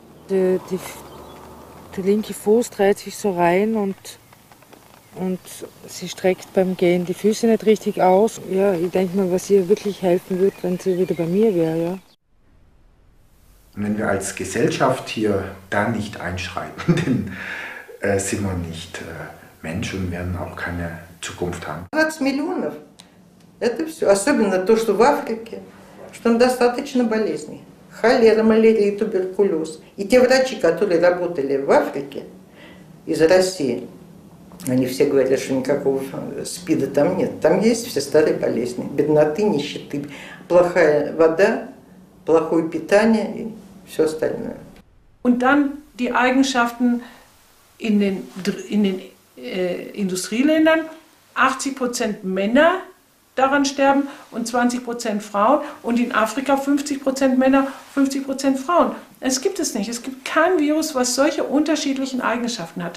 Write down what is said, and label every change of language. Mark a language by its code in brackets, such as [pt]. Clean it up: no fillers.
[de] Der linke Fuß dreht sich so rein und sie streckt beim Gehen die Füße nicht richtig aus. Ja, ich denke mal, was ihr wirklich helfen würde, wenn sie wieder bei mir wäre. Ja. Wenn wir als Gesellschaft hier da nicht einschreiten, denn sind wir nicht Mensch und werden auch keine Zukunft haben. [ru] 20 Millionen, это все. Особенно то, что в Африке, что там достаточно болезней. Холера, малярия, туберкулез. И те врачи, которые работали в Африке, из России, они все говорят, что никакого СПИДа там нет. Там есть все старые болезни. Бедноты, нищеты, плохая вода, плохое питание и все остальное. [de] Und dann die Eigenschaften in den Industrieländern, 80% Männer daran sterben und 20% Frauen und in Afrika 50% Männer, 50% Frauen. Es gibt es nicht. Es gibt kein Virus, was solche unterschiedlichen Eigenschaften hat.